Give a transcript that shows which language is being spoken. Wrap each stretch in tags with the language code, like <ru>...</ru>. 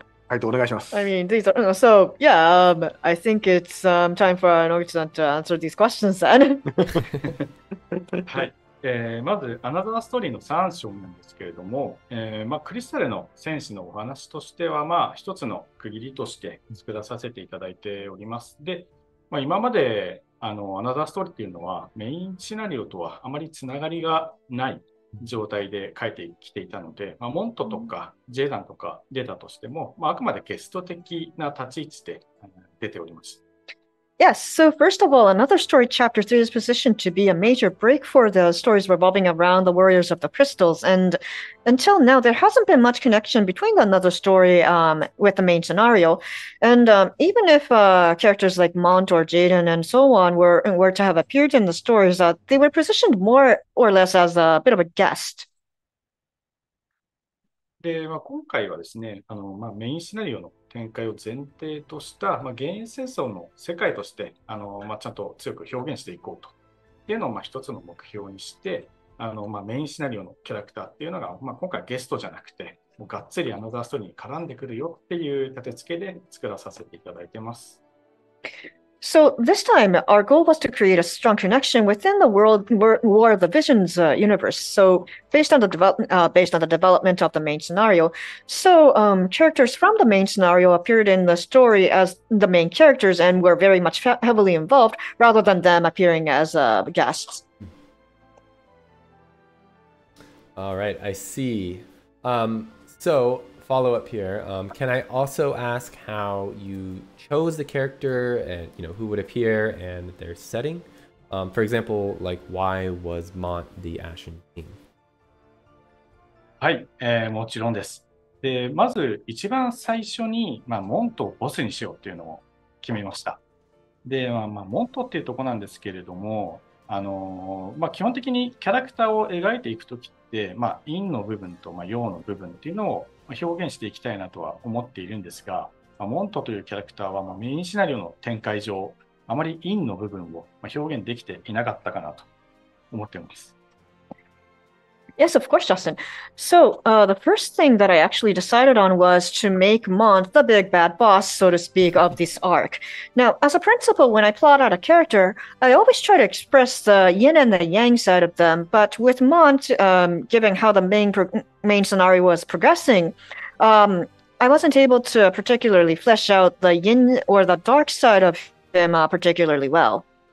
<en>I mean, these are, so, yeah, I think it's time for Noguchi-san to answer these questions then.</en> <ja>まず、アナザーストーリーの3章なんですけれども、まあ、クリスタルの戦士のお話としては、まあ、一つの区切りとして作らさせていただいております。で、まあ、今まで、アナザーストーリーっていうのは、メインシナリオとはあまりつながりがない状態で書いてきていたので、まあ、モントとかジェダンとか出たとしても、まあ、あくまでゲスト的な立ち位置で出ておりました。</ja> <en>Yes, so first of all, another story, Chapter 3, is positioned to be a major break for the stories revolving around the Warriors of the Crystals. And until now, there hasn't been much connection between another story with the main scenario. And even if characters like Mont or Jaden and so on were to have appeared in the stories, they were positioned more or less as a bit of a guest.</en> <ja>で、まあ、今回はですね、まあ、メインシナリオの展開を前提とした、まあ、原因戦争の世界として、まあ、ちゃんと強く表現していこうとっていうのをまあ一つの目標にして、まあ、メインシナリオのキャラクターっていうのが、まあ、今回ゲストじゃなくてもうがっつりアナザーストーリーに絡んでくるよっていう立て付けで作らさせていただいてます。</ja> <en>So this time, our goal was to create a strong connection within the world War of the Visions universe. So based on the development of the main scenario, so characters from the main scenario appeared in the story as the main characters and were very much heavily involved rather than them appearing as guests. All right, I see. So follow up here. Can I also ask how you chose the character and, you know, who would appear and their setting? For example, like, why was Mont the Ashen King?</en> <ja>はい、もちろんです。で、まず一番最初に、まあ、モントをボスにしようっていうのを決めました。で、まあ、モントっていうとこなんですけれども、まあ、基本的にキャラクターを描いていくときって、まあ、陰の部分と、まあ、陽の部分っていうのを表現していきたいなとは思っているんですが、まあ、モントというキャラクターは、まあ、メインシナリオの展開上あまり陰の部分を表現できていなかったかなと思っています。</ja> <en>Yes, of course, Justin. So the first thing that I actually decided on was to make Mont the big bad boss, so to speak, of this arc. Now, as a principal, when I plot out a character, I always try to express the yin and the yang side of them. But with Mont, given how the main scenario was progressing, I wasn't able to particularly flesh out the yin or the dark side of him particularly well.</en>